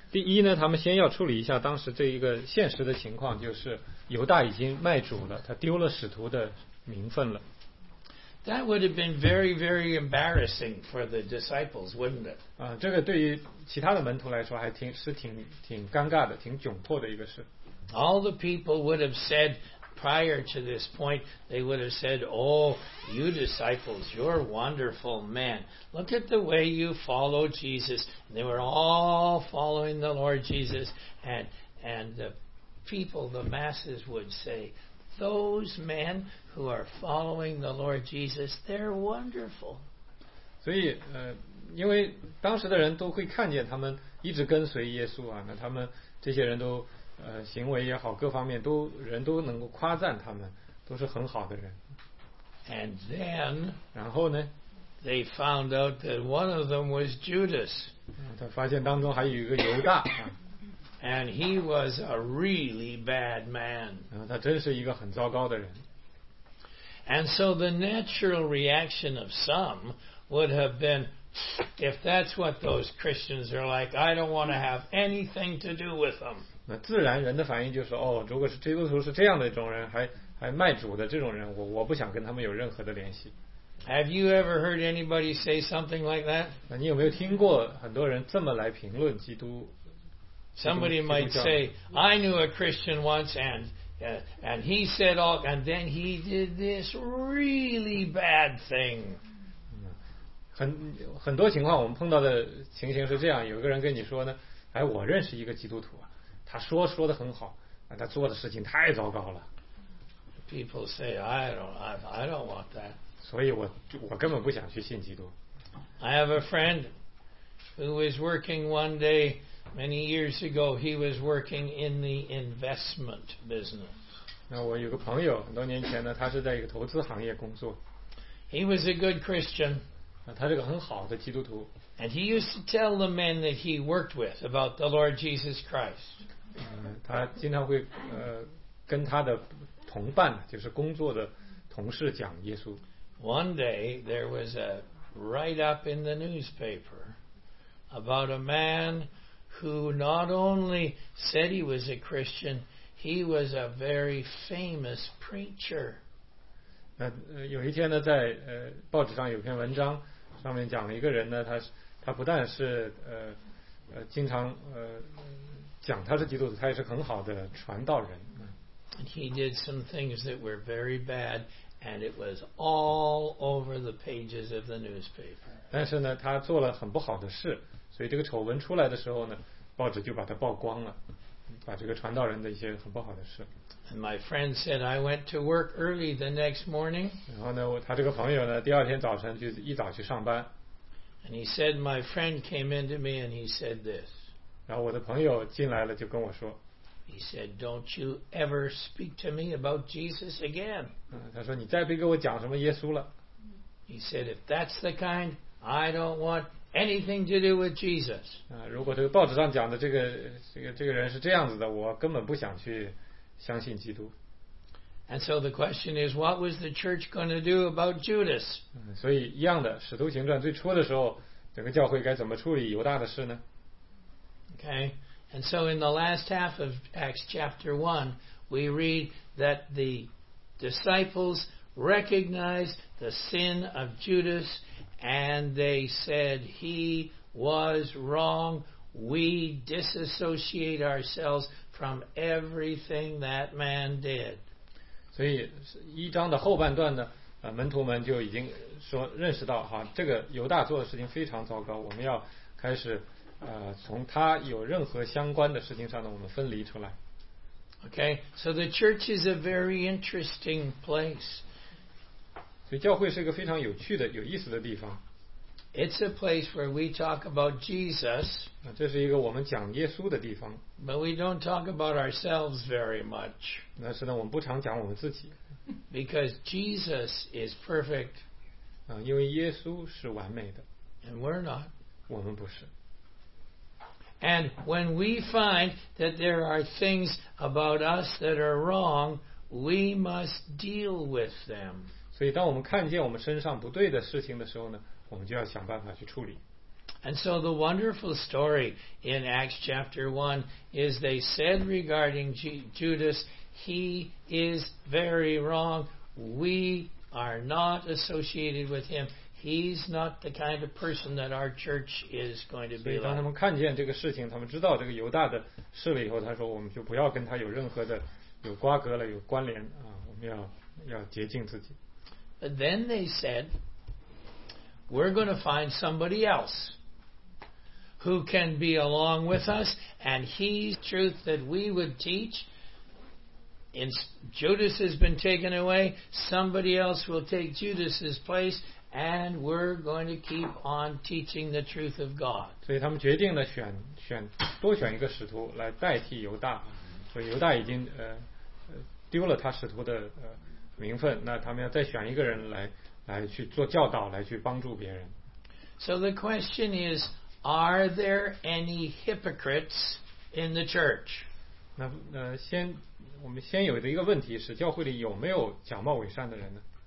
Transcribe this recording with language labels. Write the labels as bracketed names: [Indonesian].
[Chinese] 第一呢，他们先要处理一下当时这一个现实的情况，就是犹大已经卖主了，他丢了使徒的。 [English] That would have been very, very embarrassing for the disciples, wouldn't it? [Chinese] 这个对于其他的门徒来说还挺是挺尴尬的，挺窘迫的一个事。 [English] All the people would have said prior to this point, they would have said, "Oh, you disciples, you're wonderful men. Look at the way you follow Jesus." And they were all following the Lord Jesus, and the people, the masses, would say. Those men who are following the Lord Jesus, they're wonderful. [Chinese] 所以，因为当时的人都会看见他们一直跟随耶稣啊，那他们这些人都，行为也好，各方面都人都能够夸赞他们，都是很好的人。 [English] And then, [Chinese] 然后呢 [English] ？They found out that one of them was Judas. [Chinese] 他发现当中还有一个犹大。 [English] And he was a really bad man. [Chinese] 他真是一个很糟糕的人。 [English] And so the natural reaction of some would have been, if that's what those Christians are like, I don't want to have anything to do with them. [Chinese] 那自然人的反应就是，哦，如果是基督徒是这样的一种人，还卖主的这种人，我不想跟他们有任何的联系。 [English] Have you ever heard anybody say something like that? [Chinese] 那你有没有听过很多人这么来评论基督？ [English] Somebody might say, I knew a Christian once and he said, all, and then he did this really bad thing. [Chinese] 很多情况我们碰到的情形是这样，有一个人跟你说呢，哎，我认识一个基督徒啊，他说得很好，他做的事情太糟糕了。 [English] People say, I don't want that. [Chinese] 所以我根本不想去信基督。 [English] I have a friend who was working one day Many years ago, he was working in the investment business. [Chinese] 那我有个朋友，很多年前呢，他是在一个投资行业工作。 [English] He was a good Christian. [Chinese] 他是个很好的基督徒。 [English] And he used to tell the men that he worked with about the Lord Jesus Christ. [Chinese] 他经常会跟他的同伴，就是工作的同事讲耶稣。 [English] One day, there was a write-up in the newspaper about a man. Who not only said he was a Christian, he was a very famous preacher. [Chinese] 那有一天呢，在报纸上有篇文章，上面讲了一个人呢，他不但是经常讲他是基督徒，他也是很好的传道人。 [English] He did some things that were very bad, and it was all over the pages of the newspaper. [Chinese] 但是呢，他做了很不好的事。所以这个丑闻出来的时候呢，报纸就把它曝光了，把这个传道人的一些很不好的事。 [English] And my friend said I went to work early the next morning. [Chinese] 然后呢，他这个朋友呢，第二天早晨就一早去上班。 [English] And he said my friend came in to me and he said this. [Chinese] 然后我的朋友进来了就跟我说。 [English] He said, "Don't you ever speak to me about Jesus again." [Chinese] 他说你再别跟我讲什么耶稣了。 [English] He said, "If that's the kind, I don't want." Anything to do with Jesus? [Chinese] 如果这个报纸上讲的这个人是这样子的，我根本不想去相信基督。 [English] And so the question is, what was the church going to do about Judas? [Chinese] 所以一样的，《使徒行传》最初的时候，整个教会该怎么处理犹大的事呢 [English] ？Okay, and so in the last half of Acts chapter 1, we read that the disciples recognized the sin of Judas. And they said, he was wrong. We disassociate ourselves from everything that man did. [Chinese] 所以一章的后半段呢，门徒们就已经说认识到哈，这个犹大做的事情非常糟糕，我们要开始从他有任何相关的事情上呢，我们分离出来。 [English] Okay, so the church is a very interesting place. [Chinese] 所以教会是一个非常有趣的、有意思的地方。 [English] It's a place where we talk about Jesus. [Chinese] 这是一个我们讲耶稣的地方。 [English] But we don't talk about ourselves very much. [Chinese] 但是呢，我们不常讲我们自己。 [English] Because Jesus is perfect. [Chinese] 因为耶稣是完美的。 [English] And we're not. [Chinese] 我们不是。 [English] And when we find that there are things about us that are wrong, we must deal with them. [Chinese] 所以当我们看见我们身上不对的事情的时候呢，我们就要想办法去处理。 [English] And so the wonderful story in Acts chapter 1 is they said regarding Judas, he is very wrong. We are not associated with him. He's not the kind of person that our church is going to be like. [Chinese] 所以当他们看见这个事情，他们知道这个犹大的事了以后，他说我们就不要跟他有任何的有瓜葛了，有关联啊，我们要洁净自己。 [English] But then they said, we're going to find somebody else who can be along with us, and he's truth that we would teach. And Judas has been taken away, somebody else will take Judas's place. And we're going to keep on teaching the truth of God. [Chinese] 所以他们决定了多选一个使徒来代替犹大，所以犹大已经丢了他使徒的名分，那他们要再选一个人来去做教导，来去帮助别人。 [English] So the question is, are there any hypocrites in the church? [Chinese] 我们先有的一个问题是，教会里有没有假冒伪善的人呢？